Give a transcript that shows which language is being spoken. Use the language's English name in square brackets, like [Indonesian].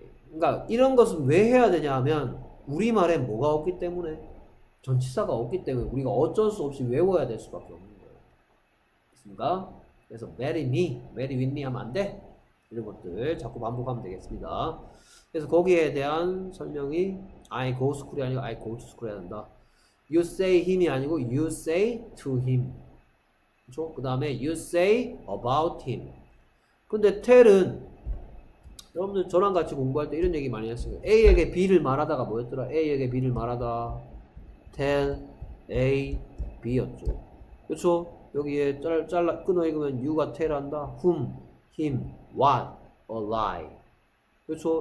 [Korean] 그러니까 이런 것은 왜 해야 되냐 하면, 우리말에 뭐가 없기 때문에, 전치사가 없기 때문에 우리가 어쩔 수 없이 외워야 될 수밖에 없는 거예요. 됐습니까? 그래서 [English] marry me, marry with me [Korean] 하면 안 돼. 이런 것들 자꾸 반복하면 되겠습니다. 그래서 거기에 대한 설명이 [English] I go to school [Korean] 이 아니고 I go to school 해야 된다. [English] You say him [Korean] 이 아니고 [English] you say to him. 그렇죠? 그 다음에 you say about him. [Korean] 근데 tell은 여러분들 저랑 같이 공부할 때 이런 얘기 많이 했어요. A에게 B를 말하다가 뭐였더라? A에게 B를 말하다 tell A B였죠. 그렇죠? 여기에 잘라 끊어 읽으면 you가 tell 한다. [English] whom, him, what, a lie. [Korean] 그렇죠?